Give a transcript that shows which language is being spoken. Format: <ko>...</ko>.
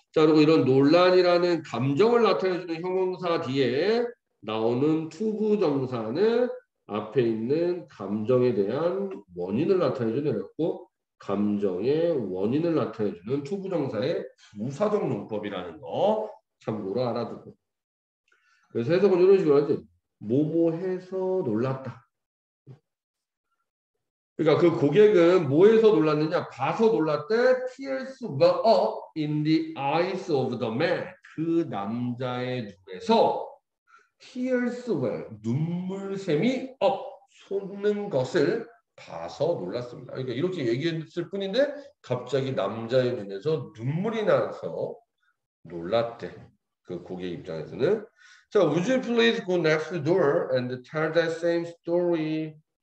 <ko>자, 그리고 이런 논란이라는 감정을 나타내주는 형용사 뒤에 나오는 to부 정사는 앞에 있는 감정에 대한 원인을 나타내주는 거였고 감정의 원인을 나타내주는 to부 정사의 부사적 문법이라는 거 참 놀아 알아두고. 그래서 해석은 이런 식으로 하지. 뭐뭐해서 놀랐다. 그러니까 그 고객은 뭐해서 놀랐느냐? 봐서 놀랐대.</ko> <en>Tears were up in the eyes of the man.</en> <ko>그 남자의 눈에서</ko> <en>Tears were</en> <ko>눈물샘이 up 솟는 것을 봐서 놀랐습니다. 그러니까 이렇게 얘기했을 뿐인데 갑자기 남자의 눈에서 눈물이 나서 놀랐대. 그 고객 입장에서는.</ko> <en>So would you please go next door and tell that same story?</en>